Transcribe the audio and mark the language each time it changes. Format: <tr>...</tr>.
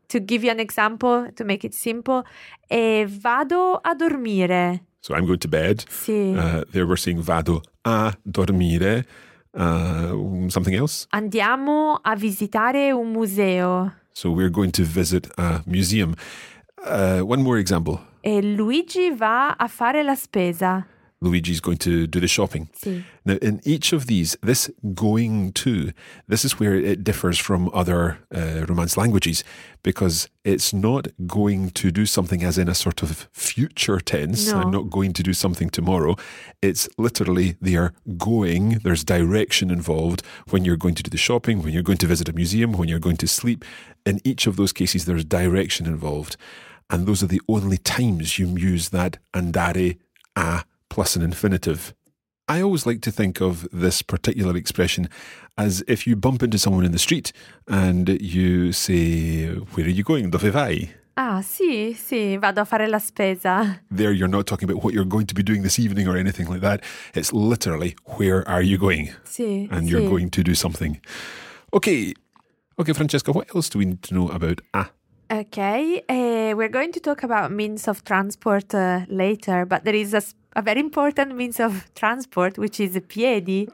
<en>To give you an example, to make it simple,</en> <it>vado a dormire.</it> <en>So I'm going to bed.</en> <it>Sì.</it> <en>There we're saying</en> <it>vado a dormire.</it> <en>Something else?</en> <it>Andiamo a visitare un museo.</it> <en>So we're going to visit a museum. One more example.</en> <it>E Luigi va a fare la spesa.</it> <en>Luigi's going to do the shopping.</en> <it>Si.</it> <en>Now, in each of these, this going to, this is where it differs from other Romance languages, because it's not going to do something as in a sort of future tense. No. I'm not going to do something tomorrow. It's literally they are going. There's direction involved when you're going to do the shopping, when you're going to visit a museum, when you're going to sleep. In each of those cases, there's direction involved. And those are the only times you use that andare a plus an infinitive. I always like to think of this particular expression as if you bump into someone in the street and you say, where are you going?</en> <it>Dove vai? Ah, sì, sì, vado a fare la spesa.</it> <en>There you're not talking about what you're going to be doing this evening or anything like that. It's literally, where are you going?</en> <it>Sì,</it> <en>and</en> <it>sì.</it> <en>You're going to do something. Okay, Francesca, what else do we need to know about a? Okay, we're going to talk about means of transport later, but there is a very important means of transport, which is piedi.</en>